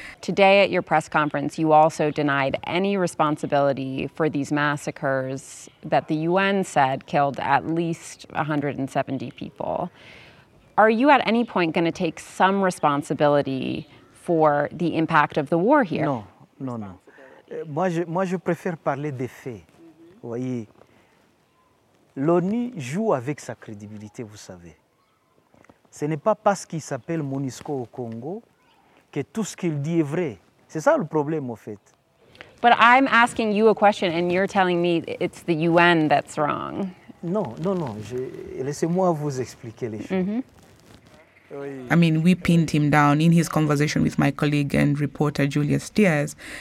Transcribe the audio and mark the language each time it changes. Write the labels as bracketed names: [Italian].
[English] Today at your press conference, you also denied any responsibility for these massacres that the UN said killed at least 170 people. Are you at any point going to take some responsibility for the impact of the war here? No, no, no. [French] Moi je préfère parler des faits. Vous voyez, l'ONU joue avec sa crédibilité, vous savez. Ce n'est pas parce qu'il s'appelle MONUSCO au Congo que tout ce qu'il dit est vrai. C'est ça le problème, en fait. [English] But I'm asking you a question and you're telling me it's the UN that's wrong. [French] Non, non, non. Laissez-moi vous expliquer les choses. Mm-hmm. [English] I mean, we pinned him down in his conversation with my colleague and reporter Julia Steers.